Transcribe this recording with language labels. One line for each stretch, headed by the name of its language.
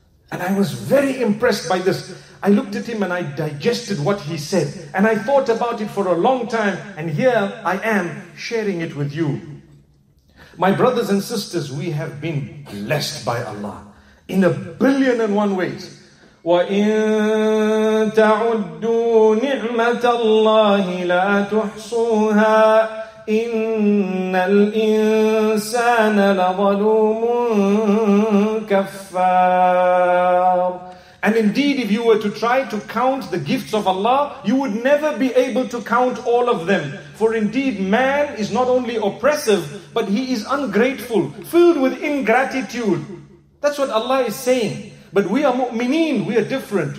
English: And I was very impressed by this. I looked at him and I digested what he said. And I thought about it for a long time. And here I am sharing it with you. My brothers and sisters, we have been blessed by Allah in a billion and one ways.
Arabic: وَإِن تعدوا نعمة الله لا تحصوها إن الإنسان لظلوم كفار.
English: And indeed, if you were to try to count the gifts of Allah, you would never be able to count all of them. For indeed, man is not only oppressive, but he is ungrateful, filled with ingratitude. That's what Allah is saying. But we are mu'mineen, we are different.